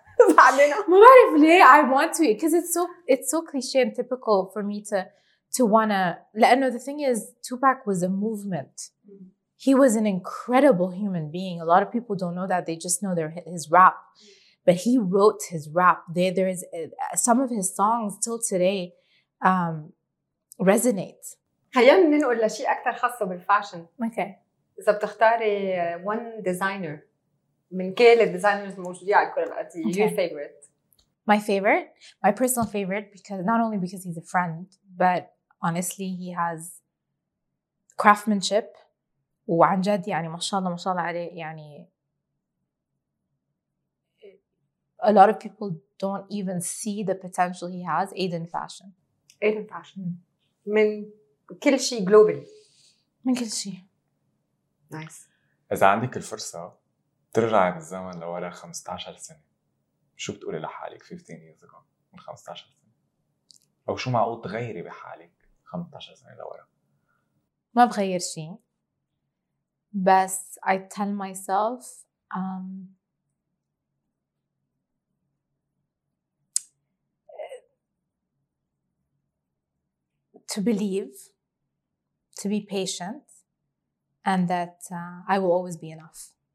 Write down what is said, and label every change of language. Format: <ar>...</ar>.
<ar>ما بعرف ليه</ar> <en>I want to because it's so cliche and typical for me to wanna</en> <ar>لأنه</ar> <en>the thing is Tupac was a movement. He was an incredible human being. A lot of people don't know that. They just know his rap. But he wrote his rap. There is some of his songs till today resonate.</en> <ar>خلينا ننقل لشيء أكثر خاصة بالفاشن.</ar> <en>Okay.</en> <ar>إذا بتختاري</ar> <en>one designer</en> <ar>من كل الديزاينرز الموجودين على الكرة الأرضية.</ar> <en>Okay. Your favorite. My favorite. My personal favorite because not only because he's a friend, but honestly he has craftsmanship.</en> <ar>وعن جد يعني ما شاء الله ما شاء الله عليه يعني.</ar> <en>A lot of people don't even see the potential he has. Aiden Fashion.</en> <ar>من كل شيء global. من كل شيء.</ar> <en>Nice.</en> <ar>إذا عندك الفرصة ترجع بالزمن لورا 15 سنة شو بتقولي لحالك</ar> <en>15 years ago</en> <ar>من 15 سنة؟ أو شو معقول تغيري بحالك 15 سنة لورا؟ ما بغير شيء. بس</ar> <en>I tell myself to believe, to be patient, and that I will always be enough.</en>